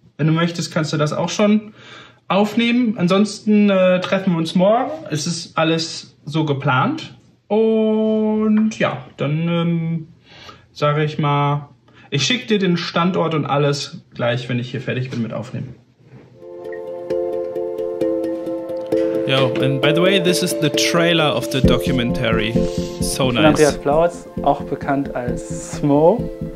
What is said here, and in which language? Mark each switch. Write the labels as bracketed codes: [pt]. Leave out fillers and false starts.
[de] Wenn du möchtest, kannst du das auch schon aufnehmen. Ansonsten treffen wir uns morgen. Es ist alles so geplant. Und ja, dann sage ich mal, ich schicke dir den Standort und alles gleich, wenn ich hier fertig bin mit Aufnehmen. [en] Yo, and by the way, this is the trailer of the documentary. So nice. [de] Ich bin Andreas Plautz, auch bekannt als Smoe.